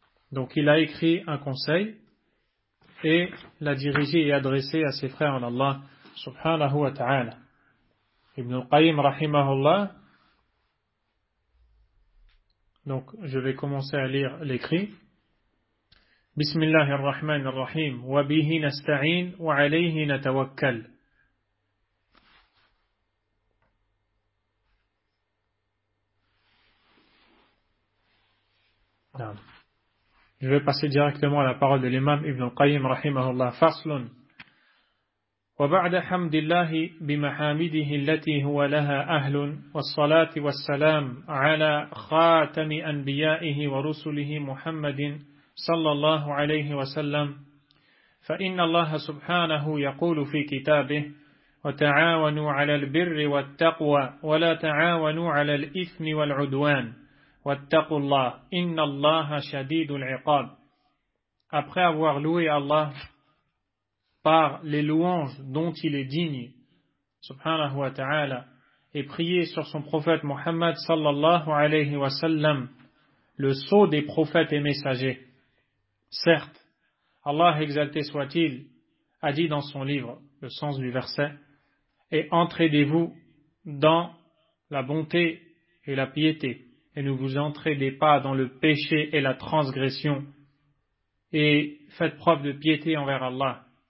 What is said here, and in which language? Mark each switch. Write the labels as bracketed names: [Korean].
[French] Donc, il a écrit un conseil et l'a dirigé et adressé à ses frères en Allah, subhanahu wa ta'ala. Ibn al-Qayyim, rahimahullah. Donc, je vais commencer à lire l'écrit. [Arabic] بسم الله الرحمن الرحيم وبه نستعين وعليه نتوكل نعم. [French] Je vais passer directement à la parole de l'imam Ibn Qayyim رحمه الله. [Arabic] فصل. وبعد حمد الله بمحامده التي هو لها أهل والصلاة والسلام على خاتم أنبيائه ورسله محمد صلى الله عليه وسلم فإن الله سبحانه يقول في كتابه وتعاونوا على البر والتقوى ولا تعاونوا على الإثم والعدوان واتقوا الله إن الله شديد العقاب. [French] Après avoir loué Allah par les louanges dont il est digne subhanahu wa ta'ala et prié sur son prophète Muhammad صلى الله عليه وسلم le sceau des prophètes et messagers, certes, Allah exalté soit-il, a dit dans son livre, le sens du verset, et entraidez-vous dans la bonté et la piété, et ne vous entraidez pas dans le péché et la transgression, et faites preuve de piété envers Allah.